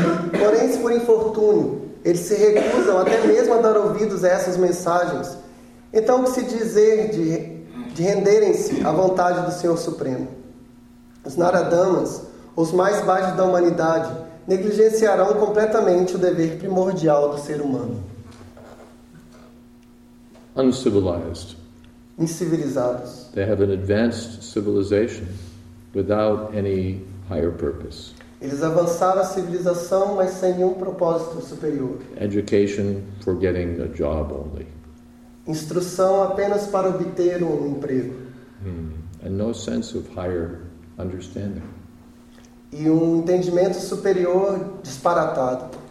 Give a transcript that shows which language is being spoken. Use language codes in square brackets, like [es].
[pt] Porém, se por infortúnio eles se recusam até mesmo a dar ouvidos a essas mensagens, então o que se dizer de renderem-se à vontade do Senhor Supremo? Os Naradamas, os mais baixos da humanidade, negligenciarão completamente o dever primordial do ser humano. [en] Uncivilized. [pt] Incivilizados. [en] They have an advanced civilization without any higher purpose. [pt] Eles avançaram a civilização, mas sem nenhum propósito superior. [en] Education for getting a job only. [pt] Instrução apenas para obter um emprego. [en] And no sense of higher understanding. [pt] E um entendimento superior disparatado.